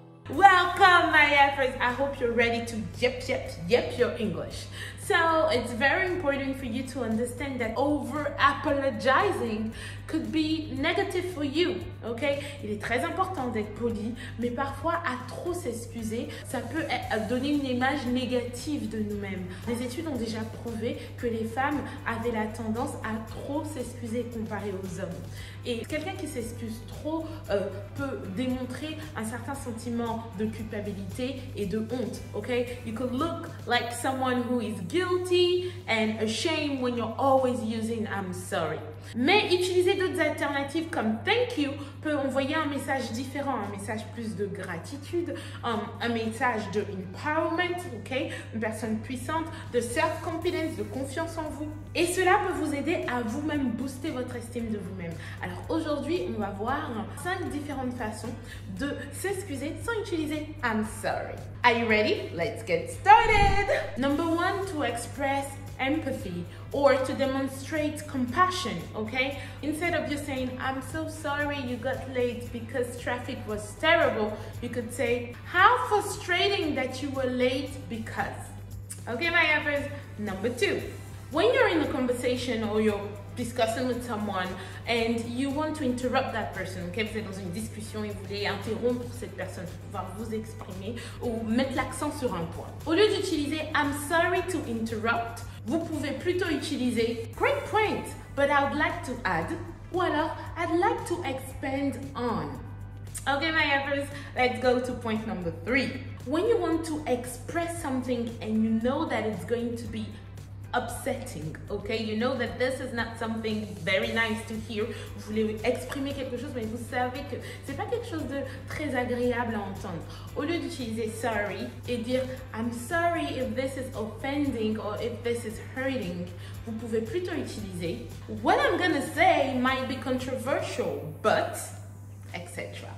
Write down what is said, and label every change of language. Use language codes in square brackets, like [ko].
[en] Welcome, my Evers. I hope you're ready to yep your English. So it's very important for you to understand that over-apologizing could be negative for you, okay? [fr] Il est très important d'être poli, mais parfois à trop s'excuser, ça peut donner une image négative de nous-mêmes. Les études ont déjà prouvé que les femmes avaient la tendance à trop s'excuser comparé aux hommes. Et quelqu'un qui s'excuse trop peut démontrer un certain sentiment de culpabilité et de honte, okay? [en] You could look like someone who is guilty and ashamed when you're always using I'm sorry. [fr] Mais utiliser d'autres alternatives comme thank you peut envoyer un message différent, un message plus de gratitude, un message de empowerment, okay? Une personne puissante, de self-confidence, de confiance en vous. Et cela peut vous aider à vous-même booster votre estime de vous-même. Alors aujourd'hui, on va voir 5 différentes façons de s'excuser sans utiliser I'm sorry. [en] Are you ready? Let's get started! Number 1, to express empathy or to demonstrate compassion, okay? Instead of just saying, I'm so sorry you got late because traffic was terrible, you could say, how frustrating that you were late because. Okay, my efforts. Number 2, when you're in a conversation or you're discussing with someone and you want to interrupt that person, okay? [fr] Vous êtes dans une discussion et vous voulez interrompre cette personne pour pouvoir vous exprimer ou mettre l'accent sur un point. Au lieu d'utiliser [en] I'm sorry to interrupt, [fr] vous pouvez plutôt utiliser [en] great point, but I would like to add, [fr] ou alors [en] I'd like to expand on. Okay, my efforts, let's go to point number 3. When you want to express something and you know that it's going to be upsetting, okay, you know that this is not something very nice to hear. [fr] Vous voulez exprimer quelque chose, mais vous savez que c'est pas quelque chose de très agréable à entendre. Au lieu d'utiliser [en] sorry [fr] et dire [en] I'm sorry if this is offending or if this is hurting, [fr] vous pouvez plutôt utiliser [en] what I'm gonna say might be controversial, but etc.